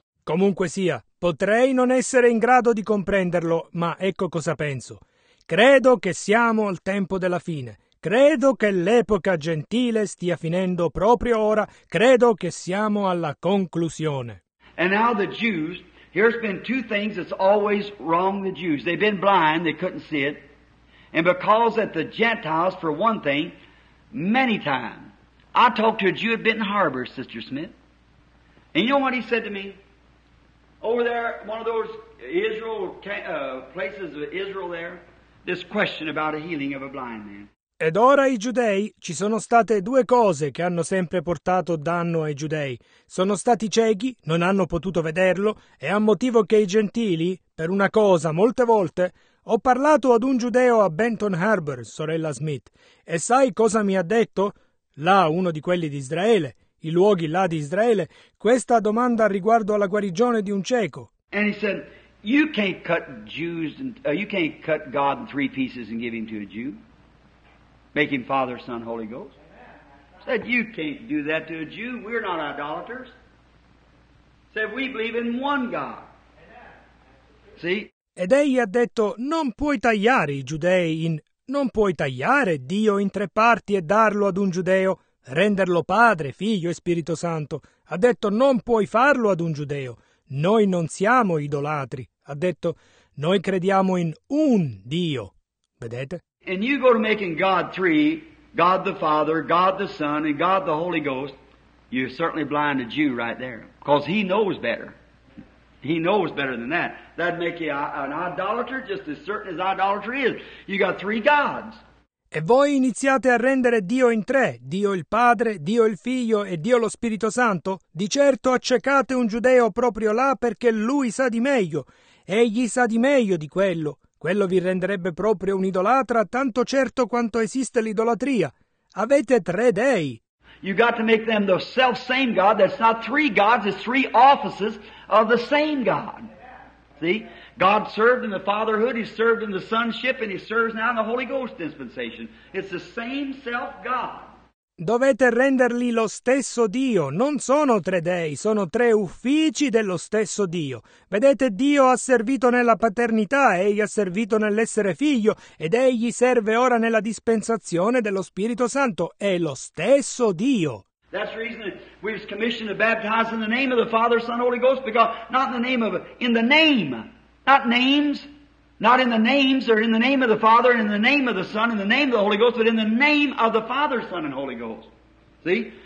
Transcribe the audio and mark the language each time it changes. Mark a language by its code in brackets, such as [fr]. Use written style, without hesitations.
[it] Comunque sia, potrei non essere in grado di comprenderlo, ma ecco cosa penso. Credo che siamo al tempo della fine. Credo che l'epoca gentile stia finendo proprio ora. Credo che siamo alla conclusione. [en] And now the Jews, here's been two things that's always wrong the Jews. They've been blind, they couldn't see it. And because that the Gentiles, for one thing, many times, I talked to a Jew at Benton Harbor, Sister Smith. And you know what he said to me? Over there, one of those Israel places of Israel there, this question about a healing of a blind man. [it] Ed ora i giudei, ci sono state due cose che hanno sempre portato danno ai giudei. Sono stati ciechi, non hanno potuto vederlo, e a motivo che i gentili, per una cosa, molte volte, ho parlato ad un giudeo a Benton Harbor, sorella Smith, e sai cosa mi ha detto? Là, uno di quelli di Israele, i luoghi là di Israele, questa domanda riguardo alla guarigione di un cieco. [en] And he said, you can't cut Jews, you can't cut God in three pieces and give him to a Jew. Make him Father, Son, Holy Ghost. Said, you can't do that to a Jew. We're not idolaters. Said, we believe in one God. See? [it] Ed egli ha detto, non puoi tagliare i giudei in... Non puoi tagliare Dio in tre parti e darlo ad un giudeo, renderlo Padre, Figlio e Spirito Santo. Ha detto, non puoi farlo ad un giudeo. Noi non siamo idolatri. Ha detto, noi crediamo in un Dio. Vedete? [en] And you go to making God three, God the Father, God the Son, and God the Holy Ghost, you're certainly blind a Jew right there. Because he knows better. He knows better than that. That'd make you an idolater just as certain as idolatry is. You got three gods. [it] E voi iniziate a rendere Dio in tre, Dio il Padre, Dio il Figlio e Dio lo Spirito Santo? Di certo accecate un giudeo proprio là perché lui sa di meglio. Egli sa di meglio di quello. Quello vi renderebbe proprio un idolatra, tanto certo quanto esiste l'idolatria. Avete tre dei. [en] You got to make them the self same God. That's not three gods, it's three offices of the same God. See? God served in the fatherhood, he served in the sonship, and he serves now in the Holy Ghost dispensation. It's the same self God. [it] Dovete renderli lo stesso Dio. Non sono tre dei, sono tre uffici dello stesso Dio. Vedete, Dio ha servito nella paternità, egli ha servito nell'essere figlio, ed egli serve ora nella dispensazione dello Spirito Santo. È lo stesso Dio. [en] That's the reason that we've commissioned to baptize in the name of the Father, Son, Holy Ghost, because not in the name of, in the name. Not names, Not in the names, or in the name of the Father, in the name of the Son, in the name of the Holy Ghost, but in the name of the Father, Son, and Holy Ghost. See?